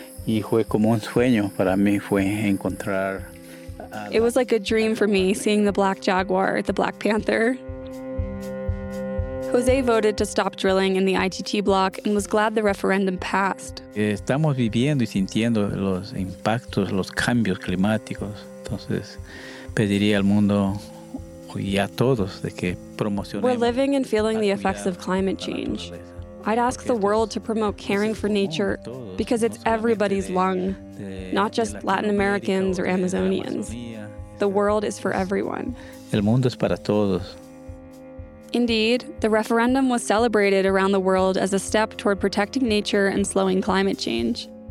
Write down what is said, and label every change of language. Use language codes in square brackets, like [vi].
[es] Y fue como un sueño para mí, fue encontrar [en] It was like a dream for me, seeing the black jaguar, the black panther. José voted to stop drilling in the ITT block and was glad the referendum passed. [es] Estamos viviendo y sintiendo los impactos, los cambios climáticos. Entonces, pediría al mundo y a todos de que promocionemos. [en] We're living and feeling the effects of climate change. I'd ask the world to promote caring for nature because it's everybody's lung, not just Latin Americans or Amazonians. The world is for everyone. [es] El mundo es para todos. [en] Indeed, the referendum was celebrated around the world as a step toward protecting nature and slowing climate change.